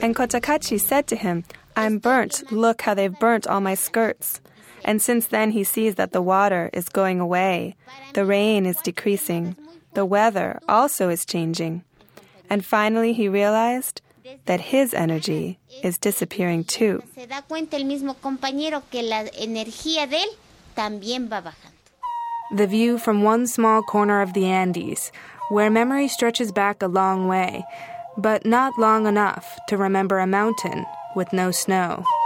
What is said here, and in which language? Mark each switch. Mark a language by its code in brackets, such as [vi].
[en] And Cotacachi said to him, I'm burnt. Look how they've burnt all my skirts. And since then, he sees that the water is going away. The rain is decreasing. The weather also is changing. And finally, he realized that his energy is disappearing too. [es] Se da cuenta el mismo compañero que la energía de él también va bajando. [en] The view from one small corner of the Andes, where memory stretches back a long way, but not long enough to remember a mountain with no snow.